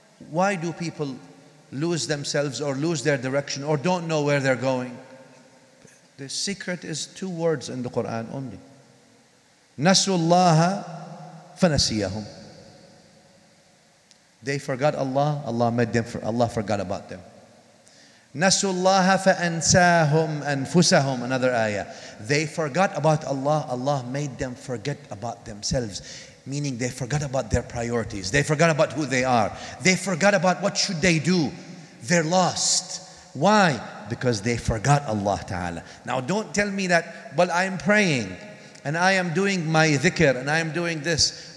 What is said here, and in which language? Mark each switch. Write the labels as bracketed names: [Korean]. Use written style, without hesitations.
[English] Why do people lose themselves or lose their direction or don't know where they're going? The secret is two words in the Quran only. [Arabic] نَسُوا اللَّهَ فَنَسِيَهُمْ [English] They forgot Allah, Allah made them for Allah forgot about them. [Arabic] نَسُوا اللَّهَ فَأَنْسَاهُمْ أَنْفُسَهُمْ [English] Another ayah. They forgot about Allah, Allah made them forget about themselves. Meaning they forgot about their priorities. They forgot about who they are. They forgot about what should they do. They're lost. Why? Because they forgot Allah Ta'ala. Now don't tell me that, but I'm praying and I am doing my dhikr and I am doing this.